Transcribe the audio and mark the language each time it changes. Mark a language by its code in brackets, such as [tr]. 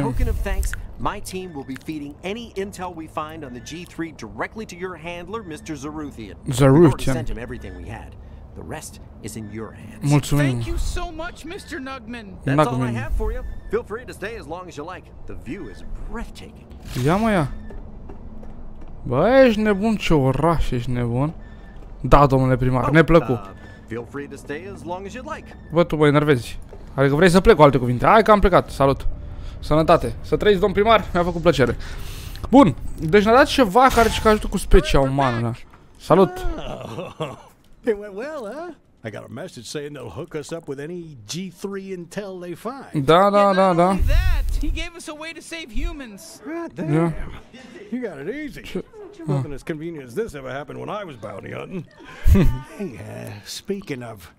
[en] As a token of thanks, my team will be feeding any intel we find on the G3 directly to your handler, Mr. Zaruthian. Zaruthian. We've already sent him everything we had. The rest is in your hands. [ro] Mulțumim. [en] Thank you so much, Mr. Nugman. That's all I have for you. Feel free to stay as long as you like. The view is breathtaking. [ro] Ia mă ia. Bă, ești nebun, ce oraș, ești nebun. Da, domnule primar, ne plăcu. Feel free to stay as long as you'd like. Bă, tu mă enervezi. Adică vrei să plec, cu alte cuvinte. Hai că am plecat, salut. Sănătate. Să trăiți, domn primar, mi-a făcut plăcere. Bun, deci ne-a dat ceva care ce ajută cu specia umană. Da. Salut. [en] It went well, huh? I got a message saying they'll hook us up with any G3 intel they find. [ro] Da, da, [en] yeah, [ro] da, da. [en] That, he gave us a way to save humans. God damn. Yeah. You got it easy. Nothing as convenient as this ever happened when I was bounty hunting. Hey, speaking of,